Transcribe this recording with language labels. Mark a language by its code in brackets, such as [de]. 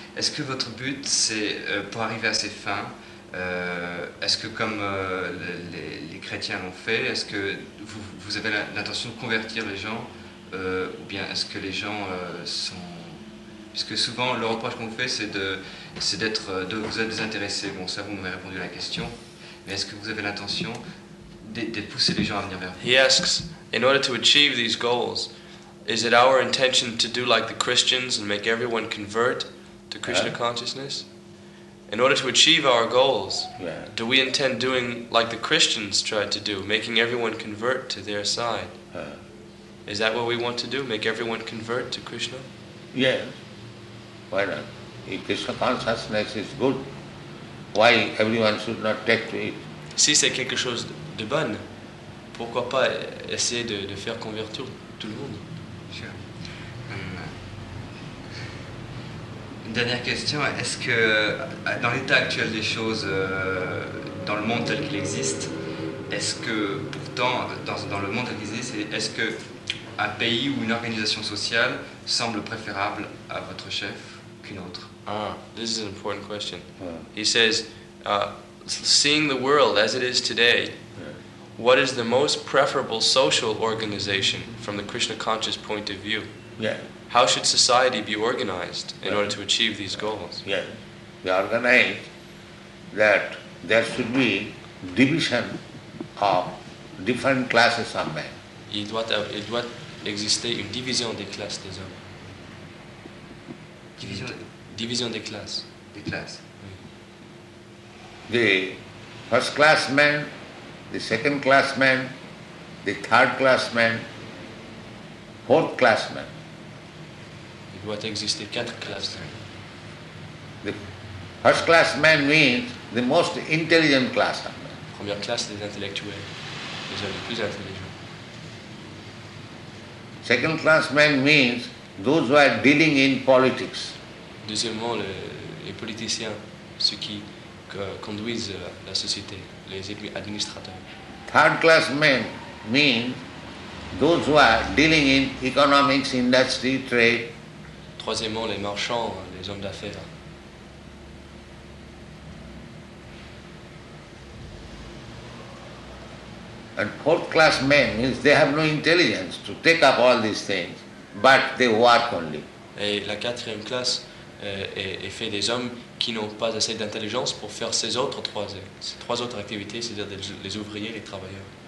[fr] Est-ce que votre but, c'est, pour arriver à ses fins, est-ce que comme les chrétiens l'ont fait, est-ce que vous avez l'intention de convertir les gens, ou bien est-ce que les gens sont... Parce que souvent, le reproche qu'on fait, c'est d'être vous êtes désintéressé. Bon, ça, vous m'avez répondu à la question. Mais est-ce que vous avez l'intention de pousser les gens à venir vers vous? [en] He asks, in order to achieve these goals, is it our intention to do like the Christians and make everyone convert to Krishna consciousness? In order to achieve our goals, do we intend doing like the Christians tried to do, making everyone convert to their side? Is that what we want to do, make everyone convert to Krishna? Yeah, why not? If Krishna consciousness is good, why everyone should not take to it? [fr] Si c'est quelque chose de bon, pourquoi pas essayer de faire convertir tout le monde? Une dernière question, est-ce que dans l'état actuel des choses, dans le monde tel qu'il existe, est-ce que pourtant, dans le monde tel qu'il existe, est-ce qu'un pays ou une organisation sociale semble préférable à votre chef qu'une autre? [en] Ah, this is an important question. He says, seeing the world as it is today, what is the most preferable social organization from the Krishna conscious point of view? Yeah. How should society be organized in order to achieve these goals? Yes, we organize that there should be division of different classes of men. [fr] Il doit exister une division des classes des hommes. Division des classes. Des classes. [en] The first class men, the second class men, the third class men, fourth class men. [fr] Il doit exister quatre classes. [en] The first class man means the most intelligent class of man. [fr] Première classe des intellectuels, les hommes les plus intelligents. [en] Second class man means those who are dealing in politics. [fr] Deuxièmement, les politiciens, ceux qui conduisent la société, les administrateurs. [en] Third class man means those who are dealing in economics, industry, trade. [fr] Troisièmement, les marchands, les hommes d'affaires. [en] And fourth class men means they have no intelligence to take up all these things, but they work only. [fr] Et la quatrième classe est fait des hommes qui n'ont pas assez d'intelligence pour faire ces trois autres activités, c'est-à-dire les ouvriers, les travailleurs.